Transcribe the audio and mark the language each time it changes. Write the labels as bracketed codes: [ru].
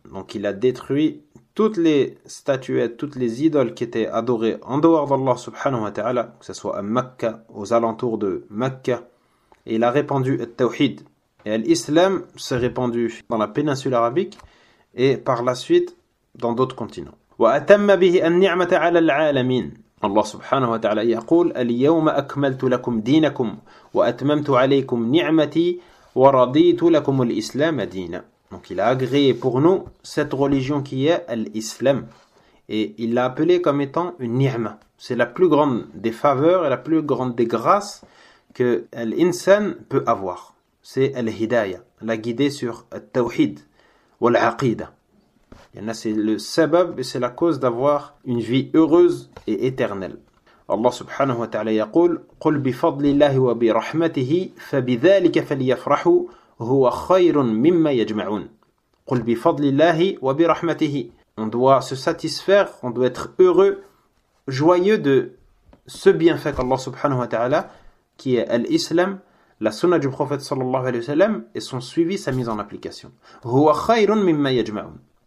[fr] Donc il a détruit toutes les statuettes, toutes les idoles qui étaient adorées en dehors d'Allah subhanahu wa ta'ala, que ce soit à Mecca, aux alentours de Mecca, et il a répandu le tawhid. Et l'islam s'est répandu dans la péninsule arabique, et par la suite dans d'autres continents. [ar] وَأَتَمَّ بِهِ النِّعْمَةَ عَلَى الْعَالَمِينَ. الله سبحانه وتعالى يقول اليوم أكملت لكم دينكم وأتممت عليكم نعمتي ورضيت لكم الإسلام دينا. [fr] Donc il a agréé pour nous cette religion qui est l'islam, et il l'a appelée comme étant une ni'ma. C'est la plus grande des faveurs et la plus grande des grâces que l'insan peut avoir. C'est l'hidayah, la guider sur le tawhid ou l'aqidah. C'est le sabab et c'est la cause d'avoir une vie heureuse et éternelle. [ar] Allah subhanahu wa ta'ala yaqul, قُلْ بِفَضْلِ اللَّهِ وَبِرَحْمَتِهِ فَبِذَلِكَ فَلْيَفْرَحُوا هُوَ خَيْرٌ مِمَّا يَجْمَعُونَ. قُلْ بِفَضْلِ اللَّهِ وَبِرَحْمَتِهِ. [fr] On doit se satisfaire, on doit être heureux, joyeux de ce bienfait qu'Allah subhanahu wa ta'ala, qui est l'islam, la sunna du prophète sallallahu alayhi wa sallam, et son suivi, sa mise en application. [ar] هُوَ خَيْرٌ مِمَّا يَجْمَعُونَ.